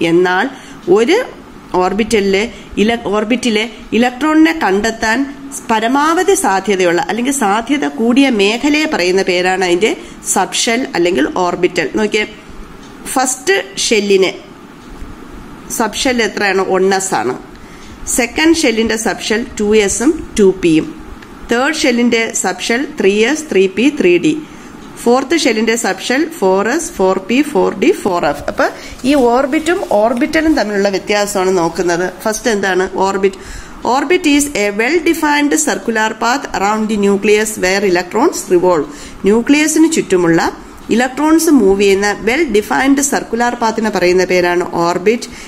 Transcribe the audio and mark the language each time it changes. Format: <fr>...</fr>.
<ml>എന്നാൽ ഒരു ഓർബിറ്റലിലെ ഓർബിറ്റിലെ ഇലക്ട്രോണിനെ കണ്ടെത്താൻ പരമാവധി സാധ്യതയുള്ള അല്ലെങ്കിൽ സാധ്യത കൂടിയ മേഖലയെ പറയുന്ന പേരാണ് അതിന്റെ സബ്ഷെൽ അല്ലെങ്കിൽ ഓർബിറ്റൽ. നോക്കിയേ ഫസ്റ്റ് ഷെല്ലിന് സബ്ഷെൽ എത്രയാണ്, 1s ആണ്. സെക്കൻഡ് ഷെല്ലിന്റെ സബ്ഷെൽ 2s ഉം 2p ഉം. തേർഡ് ഷെല്ലിന്റെ subshell 3s 3p 3d. Fourth ഷെല്ലിന്റെ subshell 4s 4p 4d 4f. അപ്പൊ ഈ ഓർബിറ്റും ഓർബിറ്റലും തമ്മിലുള്ള വ്യത്യാസമാണ് നോക്കുന്നത്.</ml> <en>First എന്താണ് orbit, orbit is a well defined circular path around the nucleus where electrons revolve.</en> <ml>ന്യൂക്ലിയസിന് ചുറ്റുമുള്ള ഇലക്ട്രോൺസ് മൂവ് ചെയ്യുന്ന വെൽ ഡിഫൈൻഡ് സർക്കുലർ പാത്തിനെ പറയുന്ന പേരാണ് ഓർബിറ്റ്.</ml>